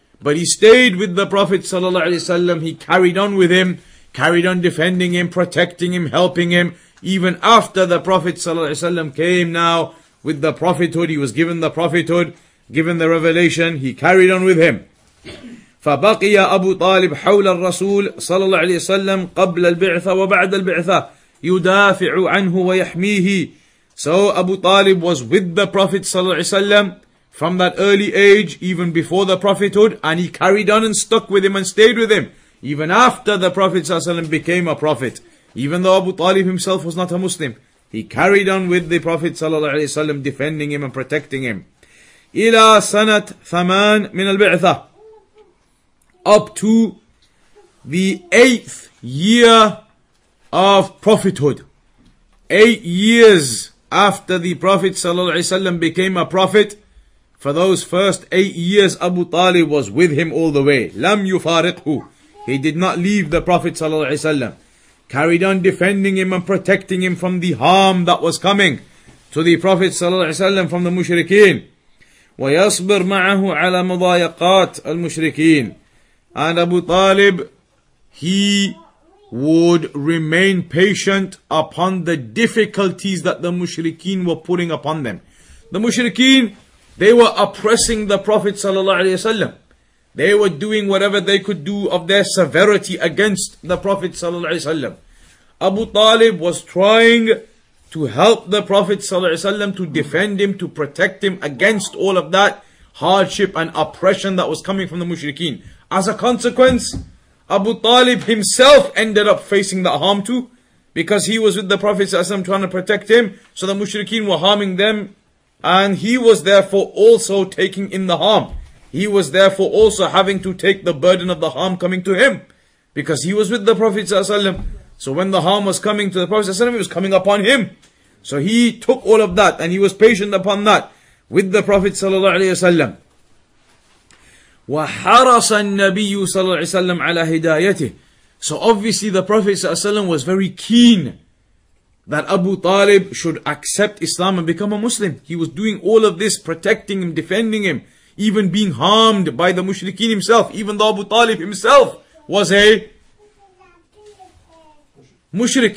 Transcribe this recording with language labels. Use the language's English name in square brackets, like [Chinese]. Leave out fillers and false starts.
[English] But he stayed with the Prophet ﷺ. He carried on with him, carried on defending him, protecting him, helping him. Even after the Prophet ﷺ came now with the prophethood, he was given the prophethood, given the revelation, he carried on with him. [Arabic] فبقي أبو طالب حول الرسول صلى الله عليه وسلم قبل البعثة وبعد البعثة يدافع عنه ويحميه. [English] So Abu Talib was with the Prophet صلى الله عليه وسلم from that early age, even before the prophethood, and he carried on and stuck with him and stayed with him even after the Prophet صلى الله عليه وسلم became a prophet. Even though Abu Talib himself was not a Muslim, he carried on with the Prophet صلى الله عليه وسلم, defending him and protecting him. [Arabic] إلى سنة ثمان من البعثة, [English] up to the 8th year of prophethood. 8 years after the Prophet ﷺ became a prophet, for those first 8 years, Abu Talib was with him all the way. [Arabic] لم يفارقه. [English] He did not leave the Prophet ﷺ. Carried on defending him and protecting him from the harm that was coming to the Prophet ﷺ from the mushrikeen. [Arabic] ويصبر معه على مضايقات المشركين. [English] And Abu Talib, he would remain patient upon the difficulties that the mushrikeen were putting upon them. The mushrikeen, they were oppressing the Prophet ﷺ. They were doing whatever they could do of their severity against the Prophet ﷺ. Abu Talib was trying to help the Prophet ﷺ, to defend him, to protect him against all of that hardship and oppression that was coming from the mushrikeen. As a consequence, Abu Talib himself ended up facing that harm too, because he was with the Prophet ﷺ trying to protect him, so the mushrikeen were harming them, and he was therefore also taking in the harm. He was therefore also having to take the burden of the harm coming to him, because he was with the Prophet ﷺ. So when the harm was coming to the Prophet ﷺ, it was coming upon him. So he took all of that, and he was patient upon that with the Prophet ﷺ. [Arabic] وحرص النبي صلى الله عليه وسلم على هدايته. [English] So obviously the Prophet ﷺ was very keen that Abu Talib should accept Islam and become a Muslim. He was doing all of this, protecting him, defending him, even being harmed by the mushrikeen himself, even though Abu Talib himself was a mushrik.